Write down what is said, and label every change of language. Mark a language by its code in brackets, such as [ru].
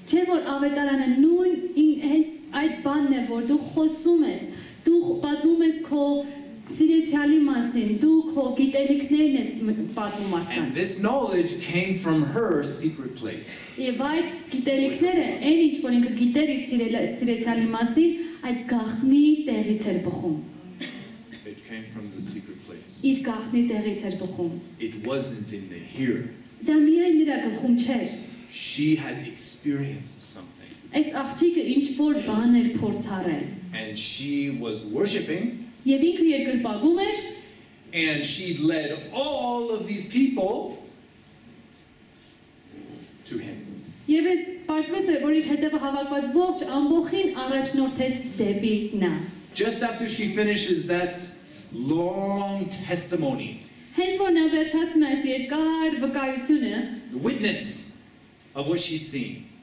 [hy] Չէ՞ որ ավետարանը նույն հենց այդ բանն է, որ դու խոսում ես, դու պատմում ես քո սիրեցյալի մասին, դու քո գիտելիքներն ես պատմում մարդկանց։ [en] And this knowledge came from her secret place. [hy] Եվ այդ գիտելիքները, այն ինչ որ ինքը գիտեր իր սիրեցյալի մասին, այդ գաղտնի տեղից էր բխում։ [en] It came from the secret place. [hy] Իր գաղտնի տեղից էր բխում։ [en] It wasn't in the here. [hy] Դա միայն նրա գլխում չէր։ [en] She had experienced something. [hy] Այս աղջիկը ինչ-որ բան էր փորձարել։ [en] And she was worshiping. [hy] Եվ ինքը երկրպագում էր, [en] and she led all of these people to him. [hy] Եվ ես պարզվեց, որ իր հետևը հավաքված ողջ ամբոխին առաջնորդեց դեպի նա. [en] Just after she finishes that long testimony. [hy] Հենց որ նա վերջացնում է այս երկար վկայությունը, [en] the witness of what she's seen.